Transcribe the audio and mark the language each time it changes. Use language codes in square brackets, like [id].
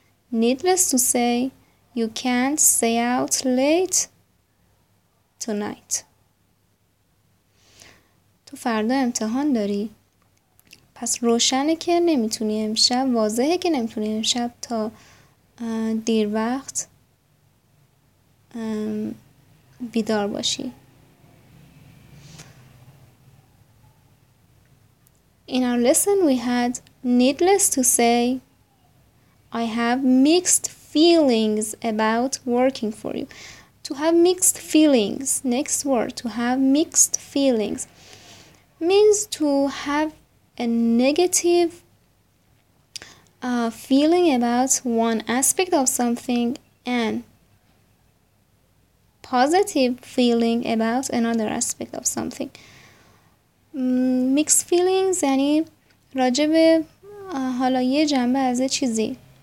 [en] Needless to say, you can't stay out late tonight. [fa] تو فردا امتحان داری؟ پس روشنه که نمیتونی امشب، واضحه که نمیتونی امشب تا دیر وقت بیدار باشی. [en] In our lesson we had needless to say I have mixed feelings about working for you. To have mixed feelings. Next word. To have mixed feelings. Means to have a negative feeling about one aspect of something and positive feeling about another aspect of something. [fa] Mixed feelings یعنی راجب حالا یه جنبه از چیزی.